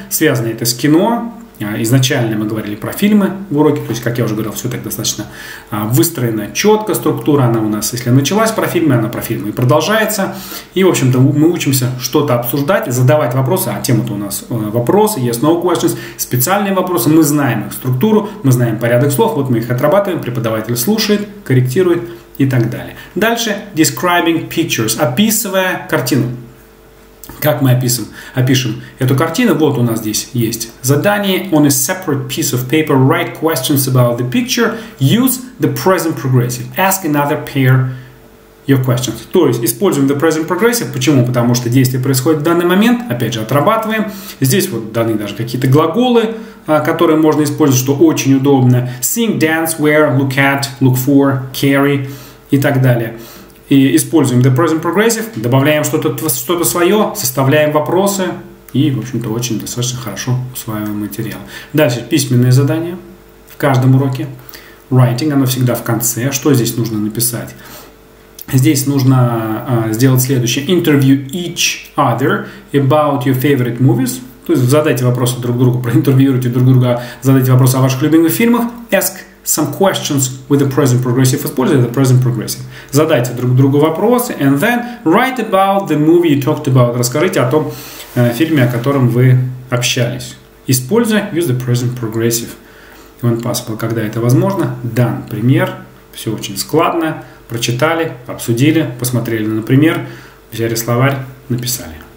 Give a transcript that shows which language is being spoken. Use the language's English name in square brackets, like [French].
[Russian] Связано это с кино. Изначально мы говорили про фильмы в уроке, то есть, как я уже говорил, все так достаточно выстроена четко структура, она у нас, если началась про фильмы, она про фильмы и продолжается, и, в общем-то, мы учимся что-то обсуждать, задавать вопросы, а тема-то у нас вопросы, yes, no questions, специальные вопросы, мы знаем их структуру, мы знаем порядок слов, вот мы их отрабатываем, преподаватель слушает, корректирует и так далее. Дальше, [English] describing pictures, [Russian] описывая картину. Как мы опишем эту картину? Вот у нас здесь есть задание. [English] On a separate piece of paper, write questions about the picture. Use the present progressive. Ask another pair your questions. [Russian] То есть используем the present progressive. Почему? Потому что действие происходит в данный момент. Опять же, отрабатываем. Здесь вот даны даже какие-то глаголы, которые можно использовать, что очень удобно. [English] Sing, dance, wear, look at, look for, carry [Russian] и так далее. И используем the present progressive, добавляем что-то свое, составляем вопросы и, в общем-то, очень достаточно хорошо усваиваем материал. Дальше письменные задания в каждом уроке. Writing, оно всегда в конце. Что здесь нужно написать? Здесь нужно сделать следующее. [English] Interview each other about your favorite movies. [Russian] То есть задайте вопросы друг другу, проинтервьюируйте друг друга, задайте вопросы о ваших любимых фильмах. [English] Ask some questions with the present progressive. [Russian] Используйте [English] the present progressive. [Russian] Задайте друг другу вопросы. [English] And then write about the movie you talked about. [Russian] Расскажите о том фильме, о котором вы общались. Используя [English] use the present progressive. When possible, [Russian] когда это возможно. Дан пример. Все очень складно. Прочитали, обсудили, посмотрели на пример. Взяли словарь, написали.